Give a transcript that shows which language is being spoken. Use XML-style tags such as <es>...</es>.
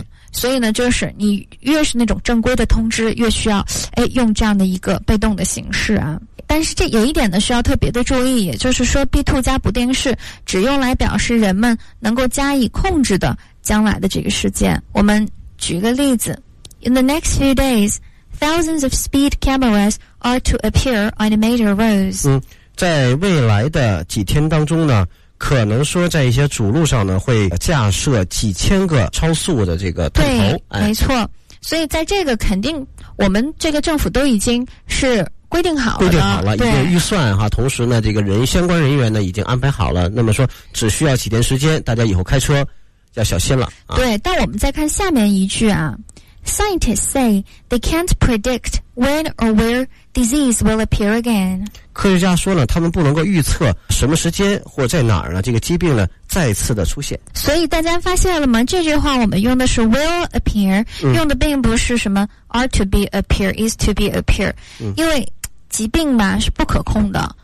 <zh>所以呢就是你越是那种正规的通知越需要用这样的一个被动的形式啊。但是这有一点呢需要特别的注意，也就是说 be to 加不定式只用来表示人们能够加以控制的将来的这个事件。我们举个例子。</zh> <en>In the next few days, thousands of speed cameras are to appear on the major roads.</en> <zh>在未来的几天当中呢可能说在一些主路上呢会架设几千个超速的这个探头。对，没错。所以在这个肯定我们这个政府都已经是规定好了。规定好了，已经预算哈，同时呢这个人相关人员呢已经安排好了，那么说只需要几天时间，大家以后开车要小心了。对，但我们再看下面一句啊。</zh> <en>Scientists say they can't predict when or where disease will appear again.</en> <zh>科学家说呢，他们不能够预测什么时间或在哪儿呢，这个疾病呢再次的出现。所以大家发现了吗？这句话我们用的是</zh> <en>will appear，</en> <zh>用的并不是什么</zh> <en>are to be appear, is to be appear，</en> <zh>因为疾病嘛是不可控的。</zh>